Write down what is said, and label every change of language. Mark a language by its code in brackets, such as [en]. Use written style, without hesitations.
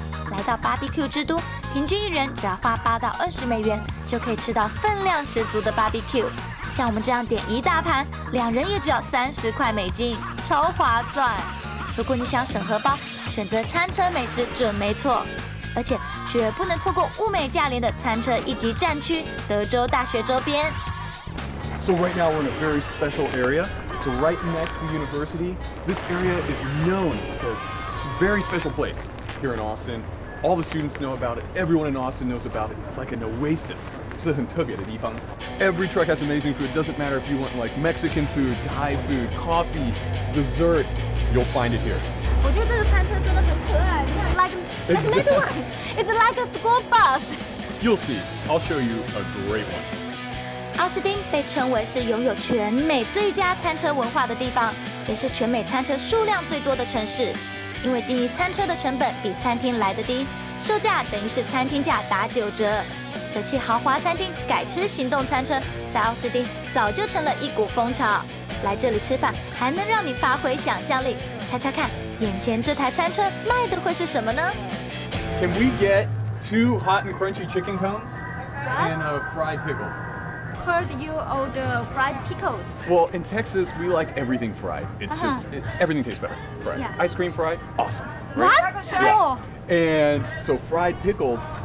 [zh] 来到 BBQ 之都，平均一人只要花8到20美元，就可以吃到分量十足的 BBQ。像我们这样点一大盘，两人也只要30块美金，超划算。如果你想省荷包，选择餐车美食准没错，而且绝不能错过物美价廉的餐车一级战区——德州大学周边。 [en] So right now we're in a very special area. It's right next to the university. This area is known as a very special place here in Austin. All the students know about it. Everyone in Austin knows about it. It's like an oasis. [zh] 是很特别的地方。 [en] Every truck has amazing food. Doesn't matter if you want like Mexican food, Thai food, coffee, dessert. You'll find it here. [zh] 我觉得这个餐车真的很可爱。 [en] Like little one. It's like a school bus. You'll see. I'll show you a great one. [zh] 奥斯汀被称为是拥有全美最佳餐车文化的地方，也是全美餐车数量最多的城市。因为经营餐车的成本比餐厅来得低，售价等于是餐厅价打9折。舍弃豪华餐厅，改吃行动餐车，在奥斯汀早就成了一股风潮。来这里吃饭还能让你发挥想象力，猜猜看，眼前这台餐车卖的会是什么呢 [en] ？Can we get 2 hot and crunchy chicken cones and a fried pickle? Heard you order fried pickles. Well, in Texas, we like everything fried. It's just everything tastes better fried. Ice cream fried, awesome. Right? What? Yeah. And so fried pickles.